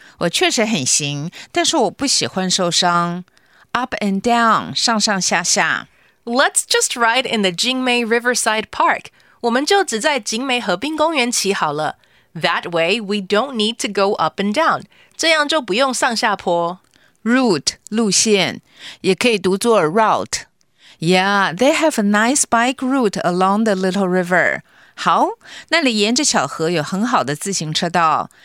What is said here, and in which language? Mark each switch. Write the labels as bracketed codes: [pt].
[zh] 我确实很行，但是我不喜欢受伤。 [en] Up and down, [zh] 上上下下。 [en] Let's just ride in the Jing-mei Riverside Park. [zh] 我们就只在景美河滨公园骑好了。 [en] That way, we don't need to go up and down. [zh] 这样就不用上下坡。 Route, 路线，也可以读作 route. [en] Yeah, they have a nice bike route along the little river. [zh] 好，那里沿着小河有很好的自行车道。